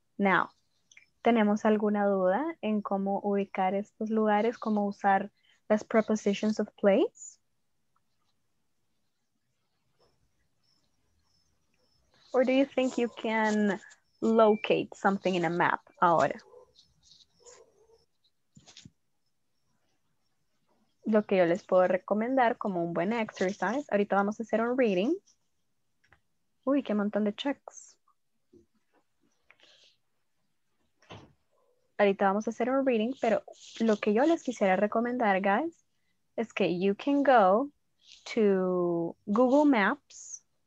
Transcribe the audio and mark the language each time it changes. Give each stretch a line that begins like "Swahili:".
Spanish: Now, ¿tenemos alguna duda en cómo ubicar estos lugares, cómo usar las prepositions of place?
English: Or do you think you can locate something in a map ahora?
Spanish: Lo que yo les puedo recomendar como un buen exercise, ahorita vamos a hacer un reading. Uy, qué montón de checks. Ahorita vamos a hacer un reading, pero lo que yo les quisiera recomendar, guys, es que
English: you can go to Google Maps.